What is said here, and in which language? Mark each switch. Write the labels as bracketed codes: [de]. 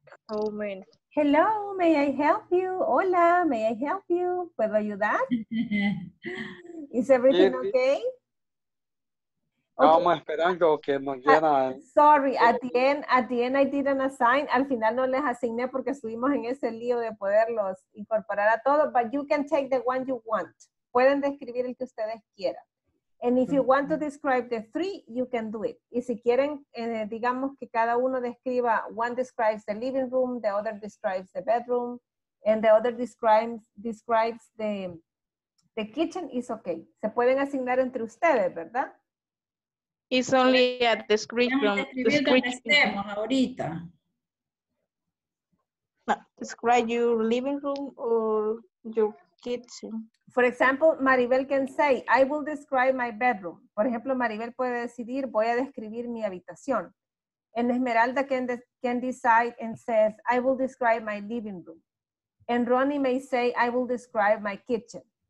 [en] Oh, hello, may I help you? Hola, may I help you? [es] ¿Puedo ayudar? [en] Is everything okay? [es] Estamos esperando que mañana... [en] Sorry, at the end I didn't assign. [es] Al final no les asigné porque estuvimos en ese lío de poderlos incorporar a todos. [en] But you can take the one you want. [es] Pueden describir el que ustedes quieran. [en] And if you want to describe the three, you can do it. [es] Y si quieren, digamos que cada uno describa, [en] one describes the living room, the other describes the bedroom, and the other describes the kitchen, is okay. [es] Se pueden asignar entre ustedes, ¿verdad? [en] It's only a description. [es] Ahorita. [en] Describe your living room or your kitchen. For example, Maribel can say, I will describe my bedroom. [es] Por ejemplo, Maribel puede decidir, voy a describir mi habitación. [en] And Esmeralda can decide and says, I will describe my living room. And Ronnie may say, I will describe my kitchen.